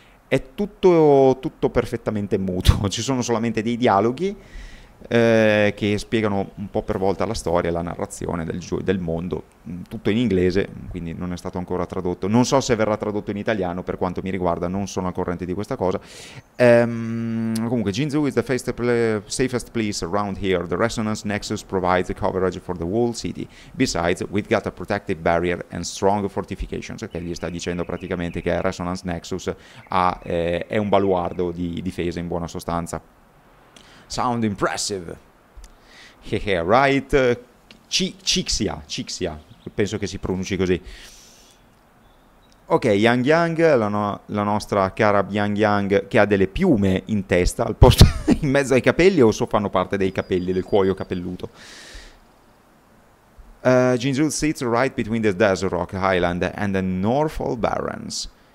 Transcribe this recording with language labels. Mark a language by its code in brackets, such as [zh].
[it] È tutto perfettamente muto, ci sono solamente dei dialoghi che spiegano un po' per volta la storia, la narrazione del mondo, tutto in inglese, quindi non è stato ancora tradotto. Non so se verrà tradotto in italiano, per quanto mi riguarda, non sono al corrente di questa cosa. Comunque, [en] Jinzhou is the safest place around here. The Resonance Nexus provides coverage for the whole city. Besides, we've got a protective barrier and strong fortifications. [it] Ok, gli sta dicendo praticamente che Resonance Nexus è un baluardo di difesa, in buona sostanza. [en] Sound impressive. Hehe, right? [it] Cixia, penso che si pronunci così. Ok, Yang Yang, la nostra cara Yang Yang, che ha delle piume in testa, al posto in mezzo ai capelli, o so fanno parte dei capelli, del cuoio capelluto. [en] Jinzhou sits right between the Desert Rock Highland and the Norfolk Barrens.